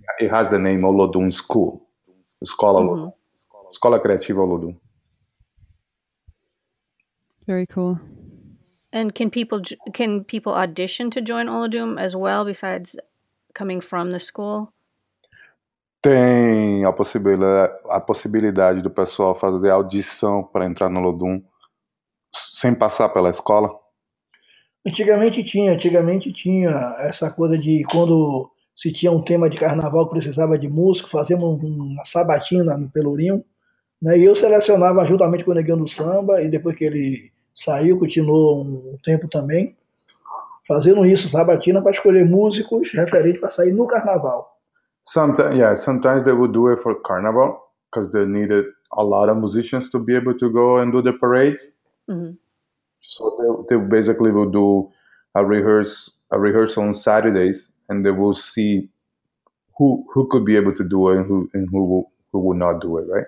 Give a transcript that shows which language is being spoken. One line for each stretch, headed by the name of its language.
English: It has the name Olodum School.
Portuguese: Escola, mm-hmm, Escola Criativa Olodum.
English: Very cool. And can people audition to join Olodum as well, besides coming from the school?
Portuguese: Tem a possibilidade do pessoal fazer audição para entrar no Olodum sem passar pela escola? Antigamente tinha essa coisa de quando se tinha um tema de carnaval que precisava de músico, fazíamos uma sabatina no Pelourinho, né? E eu selecionava juntamente com o Neguinho do Samba, e depois que ele saiu, continuou um tempo também, fazendo isso sabatina para escolher músicos referentes para sair no carnaval.
English: Sometimes, yeah, sometimes they would do it for carnival because they needed a lot of musicians to be able to go and do the parades. Mm-hmm. So they basically would do a rehearsal on Saturdays, and they will see who could be able to do it and who would not do it, right?